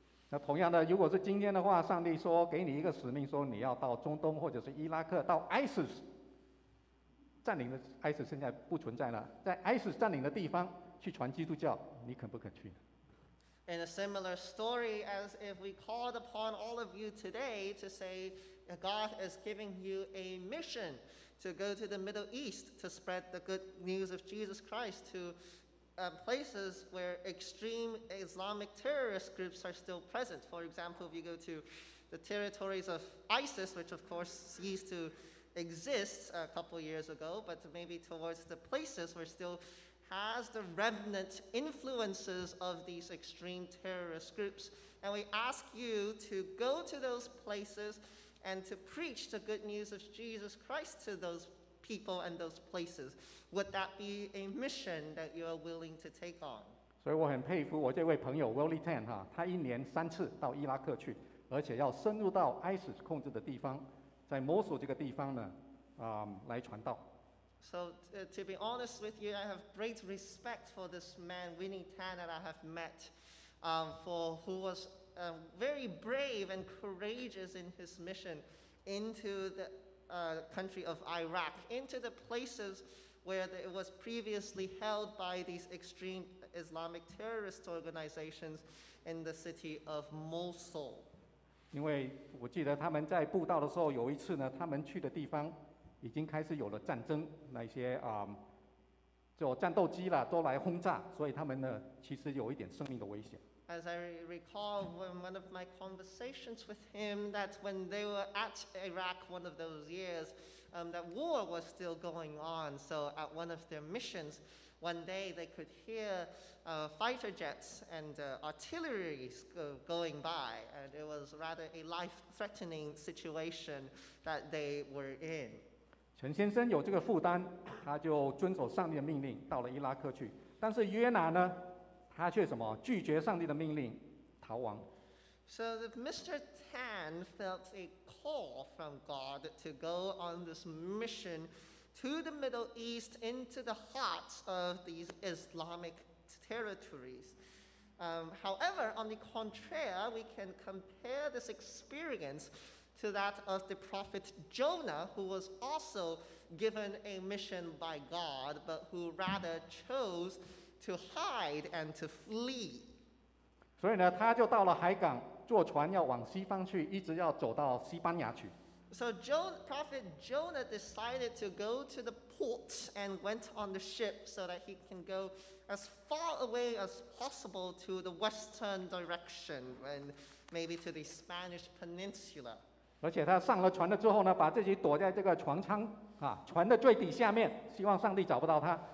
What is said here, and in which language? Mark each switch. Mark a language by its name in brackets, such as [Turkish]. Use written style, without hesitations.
[Chinese] 那同样的，如果是今天的话，上帝说给你一个使命，说你要到中东或者是伊拉克，到 ISIS 占领的 ISIS 现在不存在了，在 ISIS 占领的地方去传基督教，你肯不肯去呢？ [English] In a similar story, as if we called upon all of you today to say God is giving you a mission to go to the Middle East to spread the good news of Jesus Christ to places where extreme Islamic terrorist groups are still present. For example, if you go to the territories of ISIS, which of course ceased to exist a couple years ago, but maybe towards the places where still has the remnant influences of these extreme terrorist groups. And we ask you to go to those places and to preach the good news of Jesus Christ to those people and those places. Would that be a mission that you are willing to take on? [Chinese] 所以我很佩服我这位朋友 Willie Tan 哈，他一年三次到伊拉克去，而且要深入到 ISIS 控制的地方，在 Mosul 这个地方呢，来传道。 [English] So to be honest with you, I have great respect for this man Willie Tan that I have met, for who was very brave and courageous in his mission into the country of Iraq, into the places where it was previously held by these extreme Islamic terrorist organizations in the city of Mosul. [Chinese] 因为我记得他们在布道的时候，有一次呢，他们去的地方已经开始有了战争，那些就战斗机了都来轰炸，所以他们呢其实有一点生命的危险。 [English] As I recall, when one of my conversations with him, that when they were at Iraq one of those years, that war was still going on. So at one of their missions, one day they could hear fighter jets and artillery going by. And it was rather a life-threatening situation that they were in. [Chinese] 陈先生有这个负担，他就遵守上帝的命令，到了伊拉克去。但是约拿呢？他却什么？拒绝上帝的命令，逃亡。 [English] So Mr. Tan felt a call from God to go on this mission to the Middle East into the hearts of these Islamic territories. However, on the contrary, we can compare this experience to that of the prophet Jonah, who was also given a mission by God, but who rather chose to hide and to flee. [Chinese] 所以呢，他就到了海港，坐船要往西方去，一直要走到西班牙去。 [English] So Prophet Jonah decided to go to the port and went on the ship so that he can go as far away as possible to the western direction and maybe to the Spanish peninsula. [Chinese] 而且他上了船了之后呢，把自己躲在这个船舱啊，船的最底下面，希望上帝找不到他。